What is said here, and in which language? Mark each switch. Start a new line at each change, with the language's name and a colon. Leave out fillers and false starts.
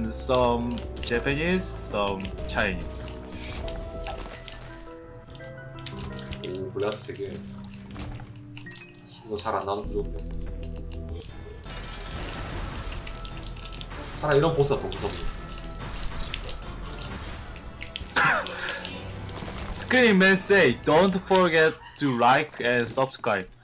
English: can you speak Spanish? No, can't speak, can't write, and can't hear, can't understand, only English, and some Japanese, some Chinese.
Korean: 몰랐어 되게 이거 잘 안 나오는 구조인데 차라리 이런 보스가 더 무섭네.
English: 스크린 맨 say don't forget to like and subscribe.